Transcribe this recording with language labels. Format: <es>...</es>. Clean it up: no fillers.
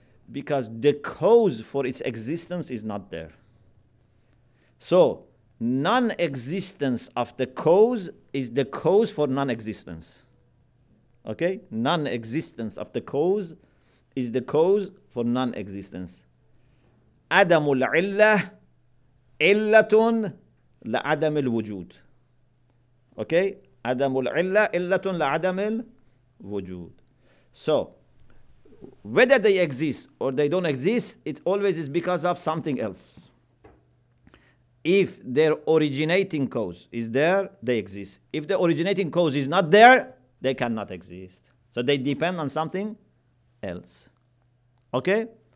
<en>Because the cause for its existence is not there. So, non-existence of the cause is the cause for non-existence. Okay? Non-existence of the cause is the cause for non-existence.</en> <ar>عدم العلة علة لعدم الوجود.</ar> <en>Okay?</en> <ar>عدم العلة علة لعدم الوجود.</ar> <en>So, whether they exist or they don't exist, it always is because of something else. If their originating cause is there, they exist. If the originating cause is not there, they cannot exist. So they depend on something else. Okay?</en>